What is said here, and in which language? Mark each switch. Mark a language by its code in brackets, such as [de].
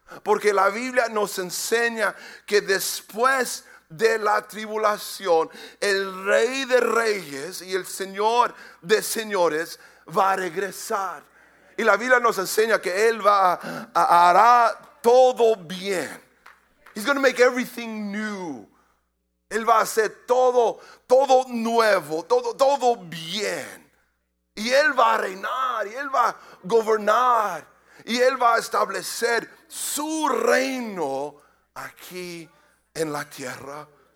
[es] Porque la Biblia nos enseña que después de la tribulación, el Rey de Reyes y el Señor de Señores va a regresar. Y la Biblia nos enseña que Él va a hará todo bien. [en] He's going to make everything new. [es] Él va a hacer todo nuevo, todo bien. Y Él va a reinar, y Él va a gobernar, y Él va a establecer su reino aquí en la tierra.